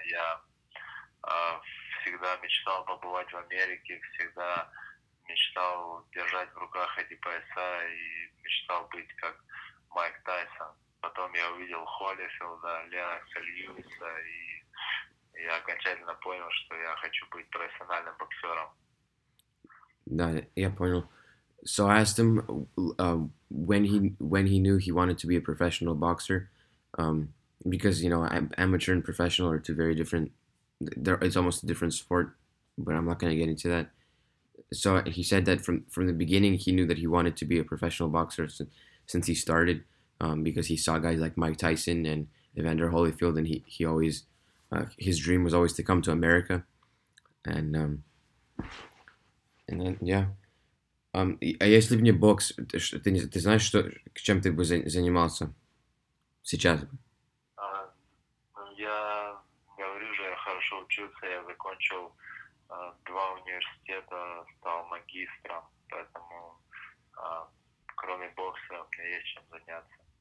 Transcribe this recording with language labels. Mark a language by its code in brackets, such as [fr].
[ru] Я всегда мечтал побывать в Америке, всегда мечтал держать в руках эти пояса и мечтал быть как Майк Тайсон. Потом я увидел Холлифилда, Ленокса Льюиса, и я окончательно понял, что я хочу быть профессиональным боксером. Да, я понял. [en] So I asked him when he knew he wanted to be a professional boxer, because, you know, amateur and professional are two very different, it's almost a different sport, but I'm not going to get into that. So he said that from the beginning, he knew that he wanted to be a professional boxer since he started, because he saw guys like Mike Tyson and Evander Holyfield, and he always, his dream was always to come to America. And then, yeah. [ru] А если б не бокс, ты знаешь, что к чем ты бы занимался сейчас? Я говорю же, я хорошо учился, я закончил два университета, стал магистром, поэтому кроме бокса у меня есть чем заняться.